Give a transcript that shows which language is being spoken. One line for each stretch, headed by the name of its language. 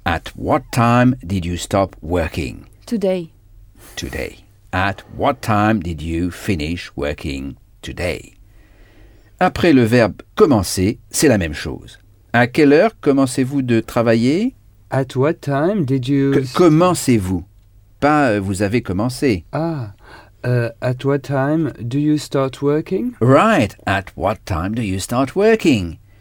English: At what time did you stop working? Today. Today. At what time did you finish working today?
French: Après le verbe commencer, c'est la même chose. À quelle heure commencez-vous de travailler?
English: At what time did you?
French: Commencez-vous? Pas vous avez commencé.
English: Ah, at what time do you start working? Right. At what time do you start working?